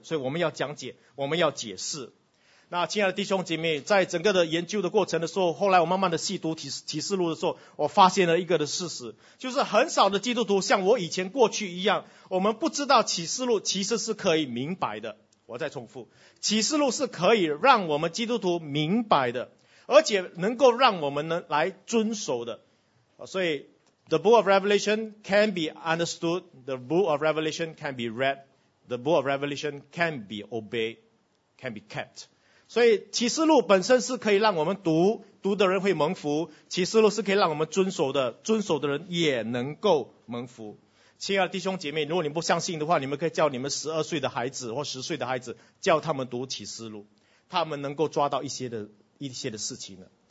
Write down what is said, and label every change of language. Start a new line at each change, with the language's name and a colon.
Chinese: 所以我们要讲解，我们要解释。那亲爱的弟兄姐妹，在整个的研究的过程的时候，后来我慢慢的细读启示录的时候，我发现了一个的事实，就是很少的基督徒像我以前过去一样，我们不知道启示录其实是可以明白的。我再重复，启示录是可以让我们基督徒明白的，而且能够让我们能来遵守的。
English: 所以 The Book of Revelation can be understood, The Book of Revelation can be read, The Book of Revelation can be obeyed, can be kept.
Chinese: 所以启示录本身是可以让我们读，读的人会蒙福，启示录是可以让我们遵守的，遵守的人也能够蒙福。亲爱的弟兄姐妹，如果你不相信的话，你们可以叫你们12岁的孩子或10岁的孩子，叫他们读启示录，他们能够抓到一些的事情呢。